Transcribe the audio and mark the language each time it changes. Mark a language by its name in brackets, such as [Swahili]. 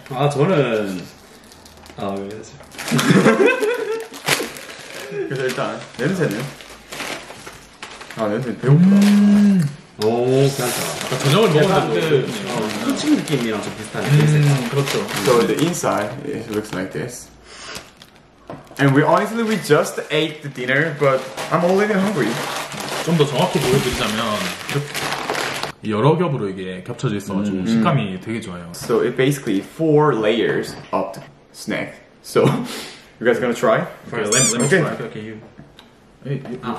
[Korean] 아 저는 아 왜 그러지? 그래서 일단 냄새는 아 냄새 배고프다. 오 괜찮다. 아까 저녁을 먹었는데 후추 느낌이랑 좀 비슷한 냄새. 그렇죠. [English] So the inside it looks like this. And we honestly we just ate the dinner, but I'm already hungry. [Korean] 좀 더 정확히 보여드리자면 여러 겹으로 이게 겹쳐져 있어가지고 식감이 되게 좋아요. [English] So it basically 4 layers of the snack. So you guys gonna try? Okay, let me okay. try. Okay, you.